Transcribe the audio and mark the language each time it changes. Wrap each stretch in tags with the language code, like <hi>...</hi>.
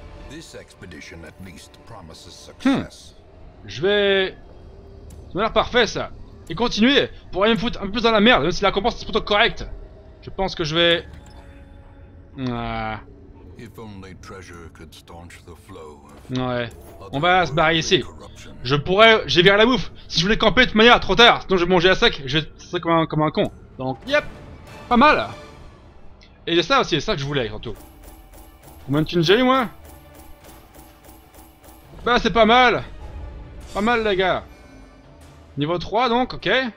<en>This expedition at least promises success.</en> <fr>Je vais... Ça m'a l'air parfait, ça. Et continuer, pour rien me foutre un peu plus dans la merde, même si la récompense est plutôt correcte. Je pense que je vais...</fr> <en>If only treasure could staunch the flow of...</en> <fr>Ouais. On va se barrer ici. Je pourrais... J'ai viré la bouffe. Si je voulais camper, de toute manière, trop tard. Sinon, je vais manger à sec. Je vais être comme un con. Donc, yep. Pas mal. Et c'est ça aussi, c'est ça que je voulais, surtout. Combien de thunes j'ai eu, moi? Bah, c'est pas mal. Pas mal, les gars. Niveau 3 donc, ok.</fr>